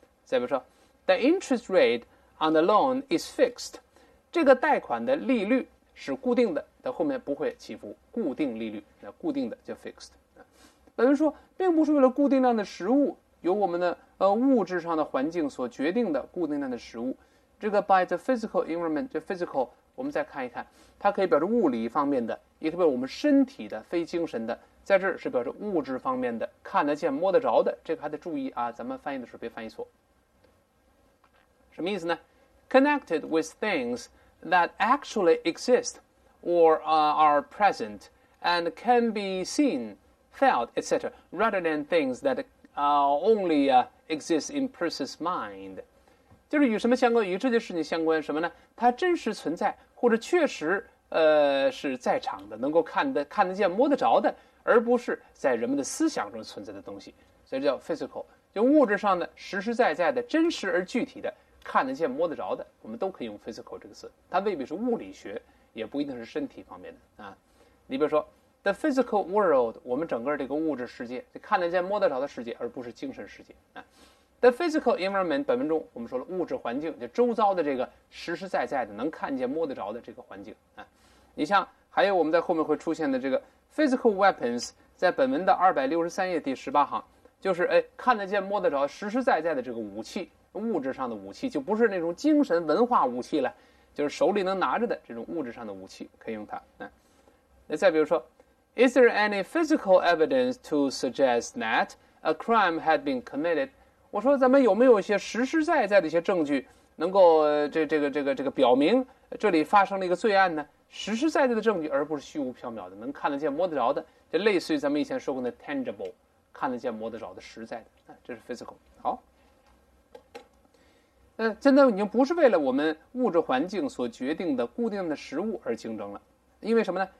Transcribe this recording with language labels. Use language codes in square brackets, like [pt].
[zh] 再比如说 [en] the interest rate on the loan is fixed。 [zh] 这个贷款的利率是固定的，它后面不会起伏，固定利率，那固定的就 fixed。本文说，并不是为了固定量的食物，由我们的物质上的环境所决定的固定量的食物。这个 [en] by the physical environment， [zh] 就 physical， 我们再看一看，它可以表示物理方面的，也可以表示我们身体的、非精神的，在这儿是表示物质方面的，看得见、摸得着的。这个还得注意啊，咱们翻译的时候别翻译错。什么意思呢？ [en] Connected with things that actually exist or are present and can be seen, felt, etc. rather than things that only exist in person's mind. [zh] 就是与什么相关，与这件事情相关什么呢？它真实存在或者确实是在场的，能够看得见摸得着的，而不是在人们的思想中存在的东西。所以叫 physical， 就物质上的实实在在的真实而具体的看得见摸得着的，我们都可以用 physical 这个词，它未必是物理学，也不一定是身体方面的啊。你比如说 [en] the physical world， [zh] 我们整个这个物质世界，看得见摸得着的世界，而不是精神世界啊。 [en] the physical environment， [zh] 本文中我们说了物质环境，就周遭的这个实实在在的能看见摸得着的这个环境啊。你像还有我们在后面会出现的这个 [en] physical weapons， [zh] 在本文的263页第18行，就是哎看得见摸得着实实在在的这个武器。物质上的武器就不是那种精神文化武器了，就是手里能拿着的这种物质上的武器可以用它。那再比如说 [en] Is there any physical evidence to suggest that a crime had been committed? [zh] 我说咱们有没有一些实实在在的一些证据能够这个表明这里发生了一个罪案呢？实实在在的证据，而不是虚无缥缈的能看得见摸得着的，就类似于咱们以前说过的 tangible， 看得见摸得着的实在的，这是 physical。好，现在已经不是为了我们物质环境所决定的固定的食物而竞争了，因为什么呢？